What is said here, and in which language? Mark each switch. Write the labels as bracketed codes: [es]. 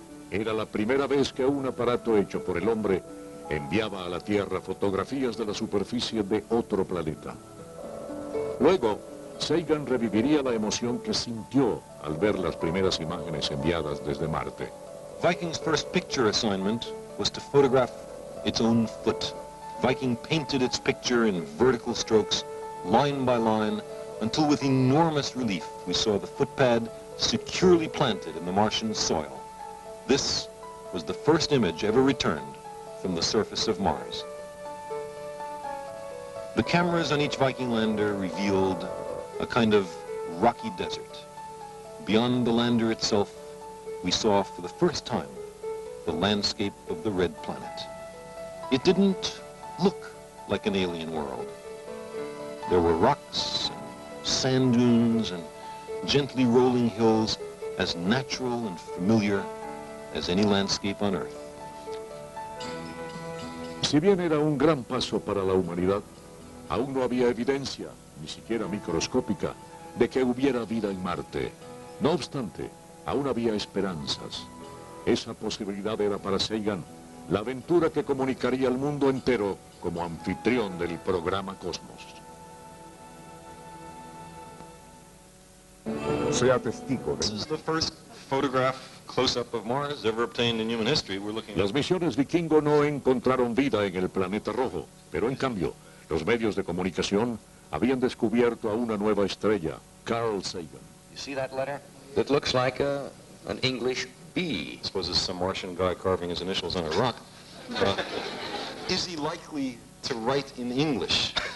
[es] Era la primera vez que un aparato hecho por el hombre enviaba a la Tierra fotografías de la superficie de otro planeta. Luego, Sagan reviviría la emoción que sintió al ver las primeras imágenes enviadas desde Marte. [en] Viking's first picture assignment was to photograph its own foot. Viking painted its picture in vertical strokes, line by line, until with enormous relief we saw the footpad securely planted in the Martian soil. This was the first image ever returned from the surface of Mars. The cameras on each Viking lander revealed a kind of rocky desert. Beyond the lander itself, we saw for the first time the landscape of the Red Planet. It didn't look like an alien world. There were rocks and sand dunes and gently rolling hills as natural and familiar as any landscape on Earth. [es] Si bien era un gran paso para la humanidad, aún no había evidencia, ni siquiera microscópica, de que hubiera vida en Marte. No obstante, aún había esperanzas. Esa posibilidad era para Sagan la aventura que comunicaría al mundo entero como anfitrión del programa Cosmos. Sea testigo. [en] This is the first photograph close-up of Mars ever obtained in human history. We're looking at... [es] Las misiones Vikingo no encontraron vida en el planeta rojo, pero en cambio, los medios de comunicación habían descubierto a una nueva estrella, Carl Sagan. [en] You see that letter? It looks like an English B. I suppose it's some Martian guy carving his initials on a rock. Is he likely to write in English?